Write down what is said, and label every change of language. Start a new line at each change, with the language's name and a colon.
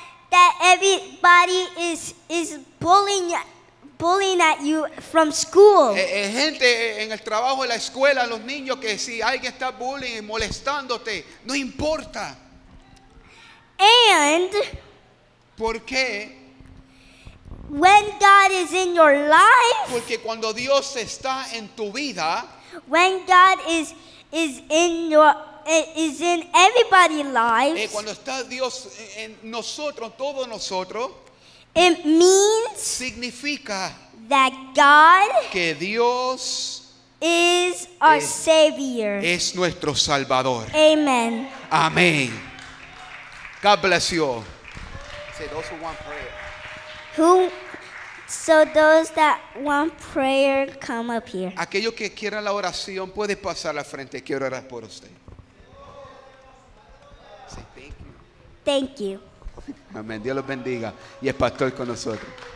English: That everybody is bullying at you from school.
Spanish: Gente en el trabajo, en la escuela, los niños que si alguien está bullying y molestándote, no importa.
English: And
Spanish: ¿por qué?
English: When God is in your life,
Spanish: porque cuando Dios está en tu vida,
English: when God is in everybody's lives,
Spanish: cuando está Dios en nosotros, todos nosotros,
English: it means
Spanish: significa
English: that God
Spanish: que Dios
English: is our savior,
Spanish: es nuestro salvador.
English: Amen. Amen. God bless you. Say those who want prayer. So those that want prayer, come up here.
Spanish: Aquellos que quieran la oración, puede pasar al frente. Quiero orar por usted.
English: Say thank you. Thank you.
Spanish: Amén. Dios los bendiga. Y el pastor con nosotros.